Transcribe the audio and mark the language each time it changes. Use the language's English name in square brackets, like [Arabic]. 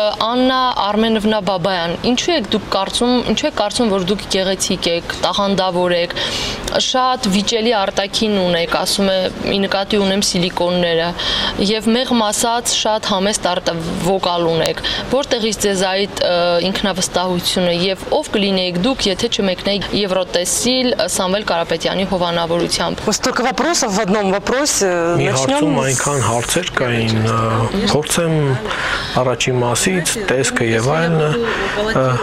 [Armenian] Աննա Արմենովնա Բաբայան, ինչու եք կարծում, որ դուք գեղեցիկ եք, տաղանդավոր եք, շատ վիճելի արտաքին ունեք, ասում է, ի նկատի ունեմ սիլիկոնները, և մեղմ ասած շատ համեստ արտ-վոկալ ունեք, որտեղից ձեզ այդ ինքնավստահությունը, և ով կլինեիք դուք, եթե չմեկնեիք Եվրոտեսիլ Սամվել Կարապետյանի հովանավորությամբ։ [Russian] Столько вопросов в одном вопросе, начнём [Armenian] այնքան հարցեր կային, փորձեմ առաջի մասից տեսքը եւ այլն